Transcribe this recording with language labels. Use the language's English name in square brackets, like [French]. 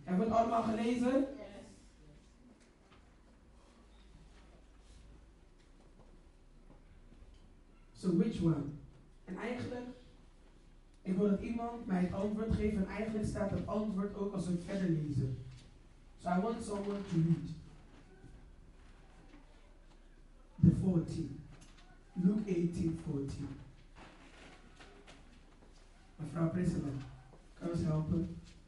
[Dutch] Hebben we het allemaal gelezen? [English] Yes. So, which one? [Dutch] En eigenlijk, ik wil dat iemand mij het antwoord geeft, en eigenlijk staat het antwoord ook als we het verder lezen. [English] So I want someone to read the 14, Luke 18, 14. [Dutch] Mevrouw Prisselman, kan ons helpen?